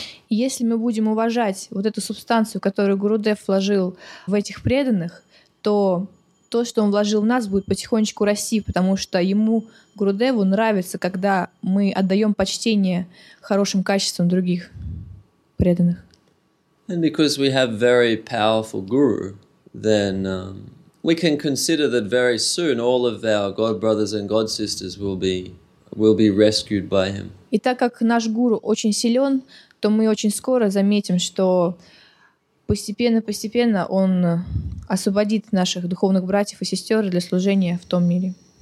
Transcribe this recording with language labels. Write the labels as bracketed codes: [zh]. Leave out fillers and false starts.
[ru] Если мы будем уважать вот эту субстанцию, которую Гурудев вложил в этих преданных, то, что он вложил в нас, будет потихонечку расти, потому что ему, Гурудеву, нравится, когда мы отдаем почтение хорошим качествам других преданных. [en] And because we have very powerful guru, then we can consider that very soon all of our God brothers and God sisters will be rescued by him. [ru] И так как наш гуру очень силен, то мы очень скоро заметим, что постепенно-постепенно он освободит наших духовных братьев и сестер для служения в том мире.